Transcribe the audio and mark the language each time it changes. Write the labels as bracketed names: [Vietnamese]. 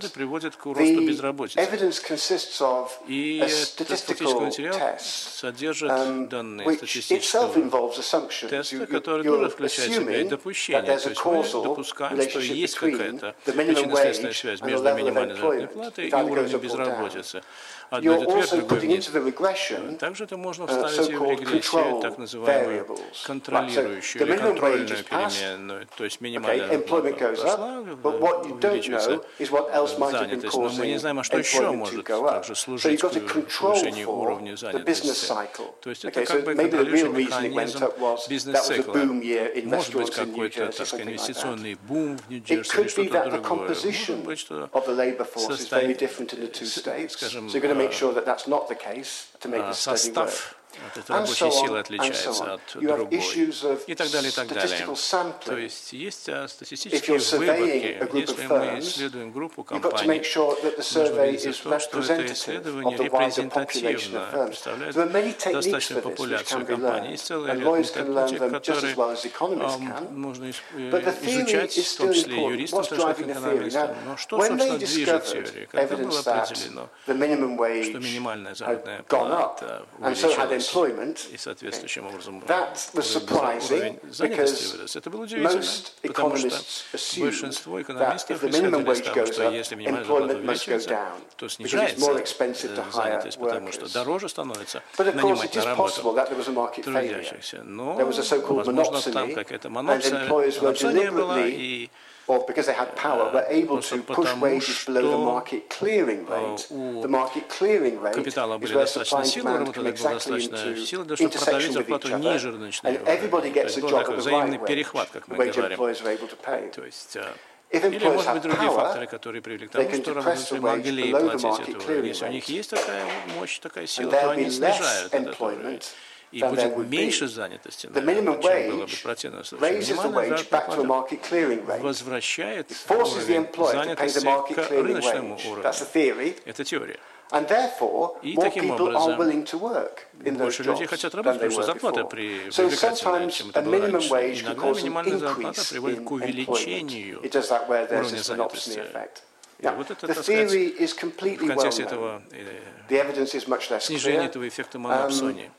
[English] The evidence consists of a statistical test, which itself involves assumptions. You're assuming that there's a causal relationship between the minimum wage and the level of employment. If either goes up or down. You're also putting into the regression so-called control variables. [Russian] Контролирующую или контрольную переменную. То есть минимальная [English] employment goes up, but what you don't know is what else might have been causing employment to go up. So you've got to control for the business cycle. Okay, so maybe the real reason it went up was that was a boom year in restaurants in New Jersey, something like that. It could be that the composition of the labor force is very different in the two states. So you're going to make sure that that's not the case to make the study work. [Russian] Вот эта рабочая сила отличается от другой, и так далее, и так далее. То есть есть статистические выборки. Если мы исследуем группу компаний, нужно видеть, что это исследование репрезентативно представляет достаточную популяцию компаний. Есть целый ряд методик, которые можно изучать, в том числе юристам, в том числе экономистам. Но что, собственно, движет теорию? Когда было определено, что минимальная заработная плата увеличилась, и соответствующим образом это было удивительно, потому что большинство экономистов исследовали ставку, что если минимальная зарплата увеличивается, то снижается занятость, потому что дороже становится нанимать на работу трудящихся. Но, возможно, там какая-то монопсония была, и [English] or because they had power, were able to push wages below the market clearing rate. The market clearing rate is where supply and demand come exactly into intersection with each other, and everybody gets a job at the right wage, the wage employers are able to pay. [Russian] Или, может быть, другие факторы, которые привели к тому, что работники могли платить эту уровень. Если у них есть такая мощь, такая сила, то они снижают этот уровень. И будет меньше занятости, наверное, чем было бы в противном случае. Минимальная зарплата возвращает уровень занятости к рыночному уровню. Это теория. [English] And therefore, [Russian] и [English] more people [Russian] образом, [English] are willing to work in those jobs than they were before. So sometimes a minimum wage can cause an increase in employment. It does that where there's a monopsony effect. Now, the theory is completely well known. The evidence is much less clear.